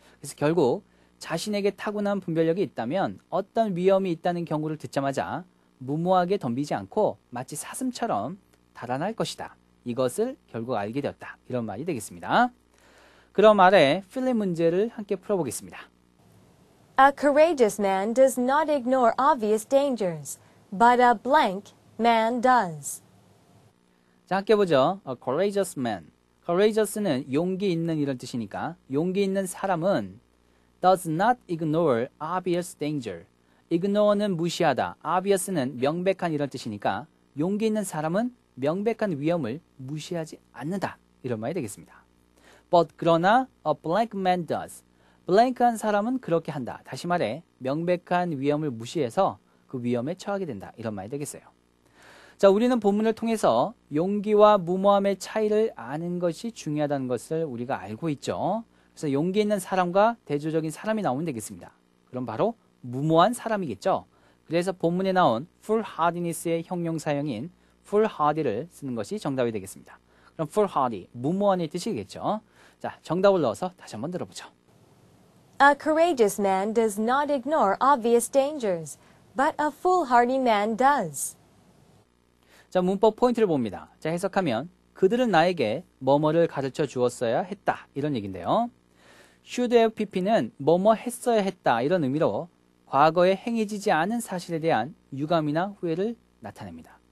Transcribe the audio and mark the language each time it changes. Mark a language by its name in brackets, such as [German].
[Korean] 그래서 결국 자신에게 타고난 분별력이 있다면 어떤 위험이 있다는 경고를 듣자마자 무모하게 덤비지 않고 마치 사슴처럼 달아날 것이다. 이것을 결국 알게 되었다. 이런 말이 되겠습니다. 그럼 아래 필립 문제를 함께 풀어보겠습니다. [English] A courageous man does not ignore obvious dangers, but a blank man does. [Korean] 자, 함께 보죠. [English] A courageous man. [Korean] Courageous는 용기 있는 이런 뜻이니까 용기 있는 사람은 [English] does not ignore obvious danger. [Korean] Ignore는 무시하다. Obvious는 명백한 이런 뜻이니까 용기 있는 사람은 명백한 위험을 무시하지 않는다. 이런 말이 되겠습니다. But 그러나 [English] a blank man does. [Korean] 블랭크한 사람은 그렇게 한다. 다시 말해 명백한 위험을 무시해서 그 위험에 처하게 된다. 이런 말이 되겠어요. 자, 우리는 본문을 통해서 용기와 무모함의 차이를 아는 것이 중요하다는 것을 우리가 알고 있죠. 그래서 용기 있는 사람과 대조적인 사람이 나오면 되겠습니다. 그럼 바로 무모한 사람이겠죠. 그래서 본문에 나온 foolhardiness의 형용사형인 foolhardy를 쓰는 것이 정답이 되겠습니다. 그럼 foolhardy, 무모한의 뜻이겠죠. 자, 정답을 넣어서 다시 한번 들어보죠. [English] A courageous man does not ignore obvious dangers, but a foolhardy man does. [Korean] 자, 문법 포인트를 봅니다. 자, 해석하면 그들은 나에게 뭐뭐를 가르쳐 주었어야 했다. 이런 얘기인데요. should have pp는 뭐뭐 했어야 했다. 이런 의미로 과거에 행해지지 않은 사실에 대한 유감이나 후회를 나타냅니다.